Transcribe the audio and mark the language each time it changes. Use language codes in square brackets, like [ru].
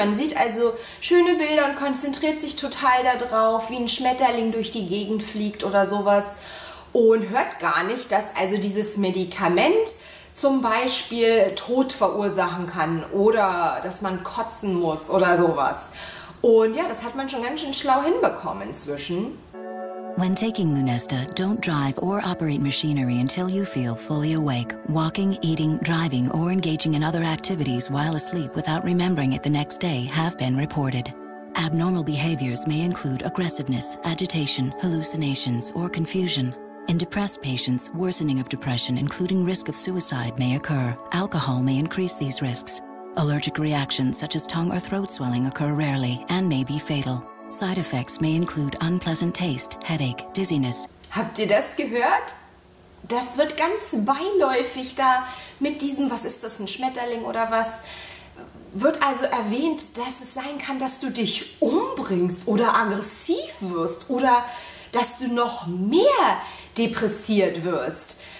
[de] Man sieht also schöne Bilder und konzentriert sich total darauf, wie ein Schmetterling durch die Gegend fliegt oder sowas und hört gar nicht, dass also dieses Medikament zum Beispiel Tod verursachen kann oder dass man kotzen muss oder sowas. Und ja, das hat man schon ganz schön schlau hinbekommen inzwischen. [en] When taking Lunesta, don't drive or operate machinery until you feel fully awake, walking, eating, driving or engaging in other activities while asleep without remembering it the next day have been reported. Abnormal behaviors may include aggressiveness, agitation, hallucinations or confusion. In depressed patients, worsening of depression, including risk of suicide, may occur. Alcohol may increase these risks. Allergic reactions such as tongue or throat swelling occur rarely and may be fatal. Side effects may include unpleasant taste, headache, dizziness. [de] Habt ihr das gehört? Das wird ganz beiläufig da mit diesem, was ist das, ein Schmetterling oder was? Wird also erwähnt, dass es sein kann, dass du dich umbringst oder aggressiv wirst oder dass du noch mehr depressiert wirst.